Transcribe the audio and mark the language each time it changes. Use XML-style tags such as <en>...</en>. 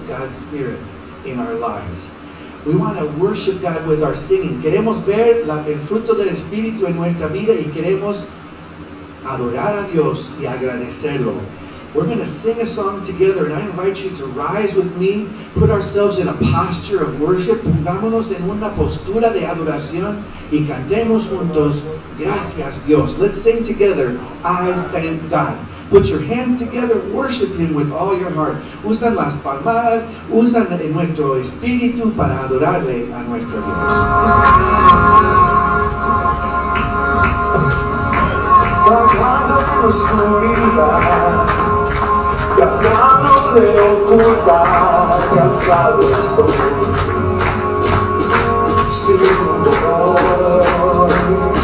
<en>Spirit in our lives. We want to worship God with our singing.</en> <es>Queremos ver el fruto del Espíritu en nuestra vida y queremos adorar a Dios y agradecerlo.</es> <en>We're going to sing a song together, and I invite you to rise with me, put ourselves in a posture of worship,</en> <es>pongámonos en una postura de adoración y cantemos juntos, gracias Dios.</es> <en>Let's sing together, I thank God. Put your hands together, worship Him with all your heart.</en> <es>Usa las palmadas, usa nuestro espíritu para adorarle a nuestro Dios. Cargado de oscuridad, cargado de oscuridad, cansado estoy, sin amor.</es>